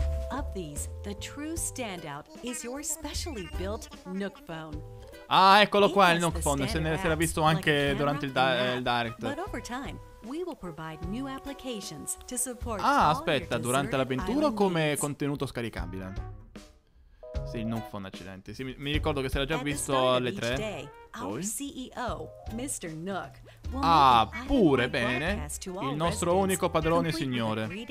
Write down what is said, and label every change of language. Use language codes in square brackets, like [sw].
[en] Of these, the true standout is your specially built Nook phone. [it] Ah, eccolo qua, il Nook phone. Se ne era visto anche durante il Direct. [en] But over time, we will provide new applications to support. [it] Ah, aspetta, durante l'avventura come contenuto scaricabile. Sì, il Nook phone, accidenti. Sì, mi ricordo che se l'ha già visto alle 3. [en] Our CEO, Mr. Nook. [it] Ah, pure bene. Il nostro unico padrone signore.